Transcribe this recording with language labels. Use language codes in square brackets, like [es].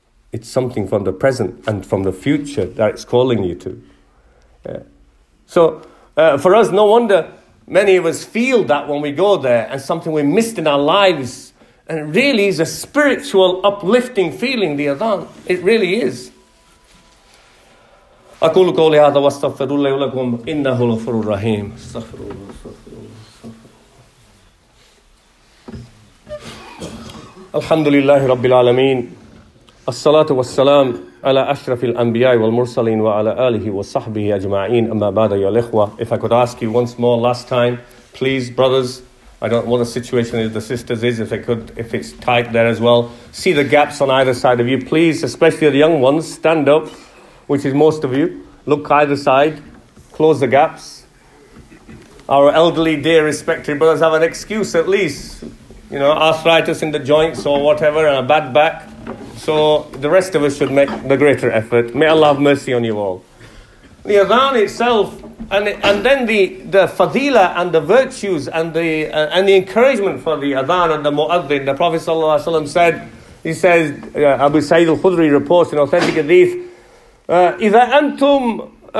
[en] It's something from the present and from the future that it's calling you to. Yeah. So for us, no wonder many of us feel that when we go there and something we missed in our lives. And it really is a spiritual uplifting feeling, the Adhan. It really is. [ar] أقول قولي هذا واستغفر الله لكم إنه الغفور الرحيم استغفر الله الحمد لله رب العالمين الصلاة والسلام على أشرف الأنبياء والمرسلين وعلى آله وصحبه أجمعين أما بعد يا الإخوة. [en] If I could ask you once more, last time, please, brothers, I don't know what the situation is, the sisters is, if I could, if it's tight there as well, see the gaps on either side of you, please, especially the young ones, stand up, which is most of you. Look either side, close the gaps. Our elderly, dear, respected brothers have an excuse at least. You know, arthritis in the joints or whatever, and a bad back. So the rest of us should make the greater effort. May Allah have mercy on you all. The Adhan itself, and then the fadila and the virtues and the encouragement for the Adhan and the Mu'adhin. The Prophet Sallallahu Alaihi Wasallam said, he says, Abu Sa'id al-Khudri reports in authentic hadith, [ar] إذا أنتم